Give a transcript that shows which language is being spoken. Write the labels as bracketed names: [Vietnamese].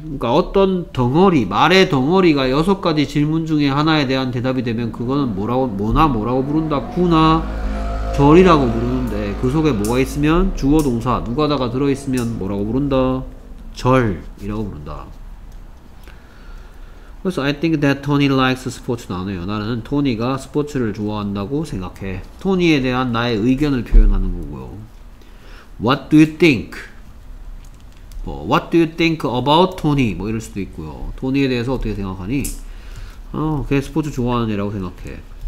[Korean] 그러니까 어떤 덩어리, 말의 덩어리가 여섯 가지 질문 중에 하나에 대한 대답이 되면 그거는 뭐라고 부른다. 구나 절이라고 부르는데 그 속에 뭐가 있으면 주어 동사 누가다가 들어 있으면 뭐라고 부른다. 절이라고 부른다. 그래서 [English] I think that Tony likes sports [Korean] 나네요. 나는 토니가 스포츠를 좋아한다고 생각해. 토니에 대한 나의 의견을 표현하는 거고요. [English] What do you think? [Korean] 뭐, [English] what do you think about Tony? [Korean] 뭐 이럴 수도 있고요. 토니에 대해서 어떻게 생각하니? 걔 스포츠 좋아하는 애라고 생각해.